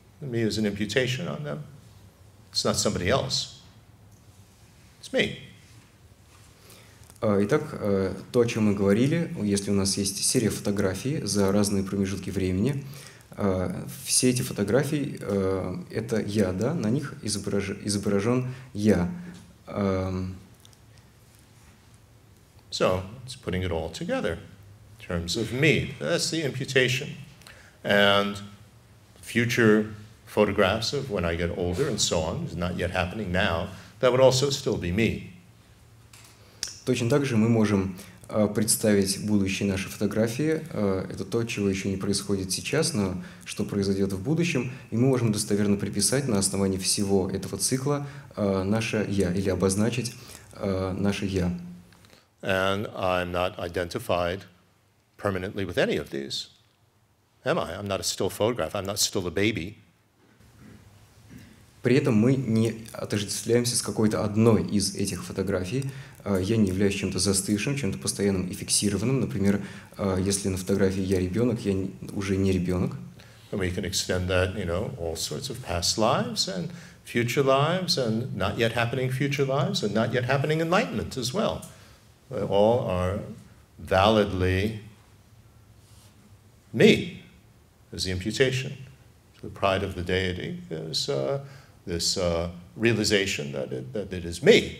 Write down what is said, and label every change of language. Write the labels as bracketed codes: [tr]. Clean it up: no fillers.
[en] Me is an imputation on them. It's not somebody else. It's me. [ru] Итак, то, о чем мы говорили, если у нас есть серия фотографий за разные промежутки времени, все эти фотографии — это я, да? На них изображен я. [en] So, it's putting it all together in terms of me. That's the imputation. And future photographs of when I get older and so on, is not yet happening now, that would also still be me. [ru] Точно так же мы можем представить будущие наши фотографии, это то, чего еще не происходит сейчас, но что произойдет в будущем, и мы можем достоверно приписать на основании всего этого цикла наше «я» или обозначить наше «я». [en] And I'm not identified permanently with any of these, am I? I'm not a still photograph, I'm not still a baby. [ru] При этом мы не отождествляемся с какой-то одной из этих фотографий. Я не являюсь чем-то застывшим, чем-то постоянным и фиксированным. Например, если на фотографии я ребенок, я уже не ребенок. [en] And we can extend that, all sorts of past lives and future lives and not yet happening future lives and not yet happening enlightenment as well. All are validly me is the imputation. The pride of the deity is this realization that it is me.